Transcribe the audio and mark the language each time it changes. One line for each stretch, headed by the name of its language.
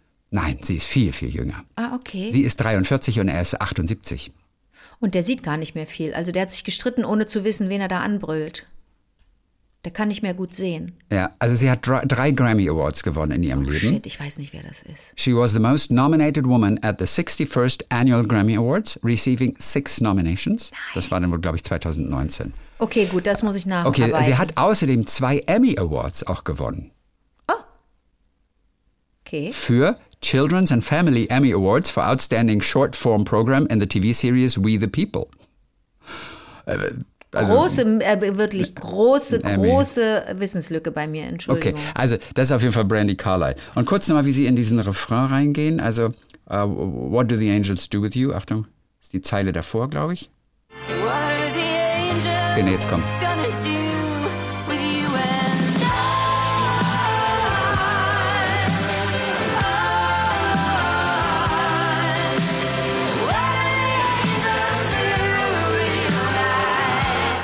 German: Nein, sie ist viel, viel jünger. Ah, okay. Sie ist 43 und er ist 78. Und der sieht gar nicht mehr viel. Also der hat sich gestritten, ohne zu wissen, wen er da anbrüllt. Der kann nicht mehr gut sehen. Ja, also sie hat drei Grammy Awards gewonnen in ihrem Leben. Shit, ich weiß nicht, wer das ist.
English: She was the most nominated woman at the 61st Annual Grammy Awards, receiving 6 nominations.
German: Nein. Das war dann wohl, glaube ich, 2019. Okay, gut, das muss ich nacharbeiten. Okay, sie hat außerdem 2 Emmy Awards auch gewonnen. Oh. Okay.
English: Für Children's and Family Emmy Awards for Outstanding Short Form Program in the TV Series We the People.
German: Also, große Wissenslücke bei mir, Entschuldigung. Okay, also das ist auf jeden Fall Brandy Carlisle. Und kurz nochmal, wie sie in diesen Refrain reingehen.
English: Also, what do the angels do with you?
German: Achtung, ist die Zeile davor, glaube ich.
English: What are the angels
German: okay, nee, jetzt komm.
English: Gonna do with you and I?